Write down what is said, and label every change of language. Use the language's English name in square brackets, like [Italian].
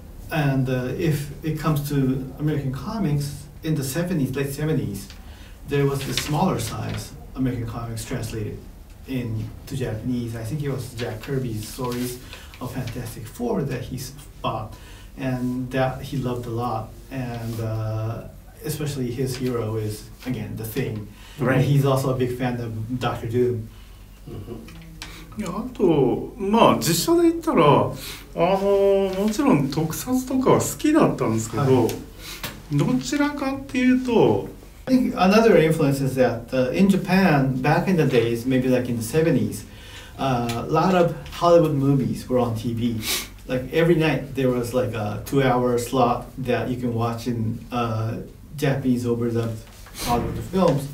[English] And if it comes to American comics, in the 70s, late 70s, there was the smaller size American comics translated into Japanese. I think it was Jack Kirby's stories of Fantastic Four that he bought, and that he loved a lot. And especially his hero is, again, the Thing. Right. He's also a big fan of Dr. Doom. [Japanese] あとまあ実写で言ったらあのもちろん特撮とかは好きだったんですけど、はい、どちらかっていうと [English] I think another influence is that in Japan back in the days maybe like in the 70s a lot of Hollywood movies were on TV like every night there was like a 2-hour slot that you can watch in Japanese overdubbed Hollywood films,